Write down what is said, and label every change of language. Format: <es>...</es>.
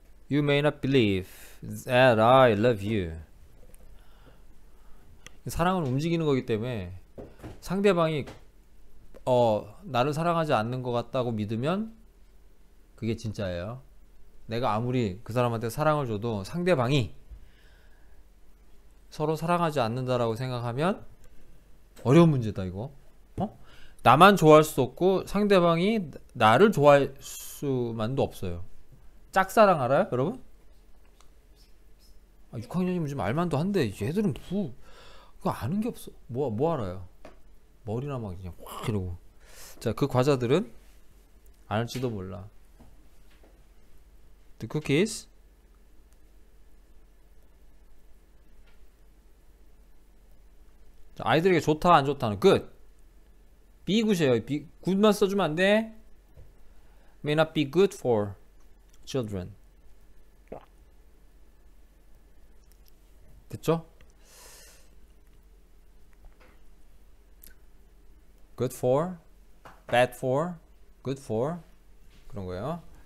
<en>You may not believe that I love you.</en> <ko>사랑은 움직이는 거기 때문에 상대방이 나를 사랑하지 않는 것 같다고 믿으면 그게 진짜예요. 내가 아무리 그 사람한테 사랑을 줘도 상대방이 서로 사랑하지 않는다라고 생각하면 어려운 문제다, 이거. 나만 좋아할 수도 없고 상대방이 나를 좋아할 수만도 없어요. 짝사랑 알아요, 여러분? 아, 6학년이면 좀 알만도 한데 얘들은 그거 아는 게 없어. 뭐 알아요? 머리나 막 그냥 확 이러고. 자, 그 과자들은 아닐지도 몰라.</ko> <en>The cookies?</en> <ko>아이들에게 좋다, 안 좋다는 good.</ko> <en>be good</en> <ko>이에요.</ko> <en>be good</en> <ko>만 써주면 안 돼.</ko> <en>may not be good for children.</en> <ko>됐죠?</ko> <en>good for, bad for, good for</en> <ko>그런 거예요.</ko>